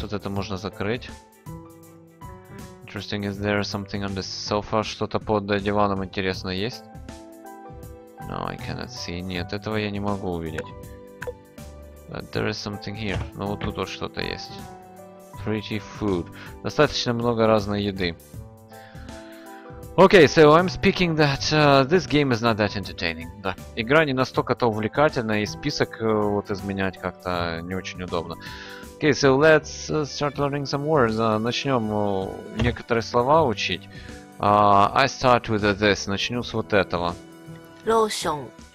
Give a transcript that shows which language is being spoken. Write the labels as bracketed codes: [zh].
[ru] Вот это можно закрыть. [en] Interesting, is there something on the sofa? [ru] Что-то под диваном интересно есть? [en] No, I cannot see. [ru] Нет, этого я не могу увидеть. [en] But there is something here. [ru] Ну, вот тут вот что-то есть. [en] Pretty food. [ru] Достаточно много разной еды. [en] Окей, okay, so I'm speaking that this game is not that entertaining. [ru] Да. Игра не настолько-то увлекательная, и список вот изменять как-то не очень удобно. [en] Окей, okay, so let's start learning some words. [ru] Начнем некоторые слова учить. [en] I start with this. [ru] Начну с вот этого. [en] Lotion.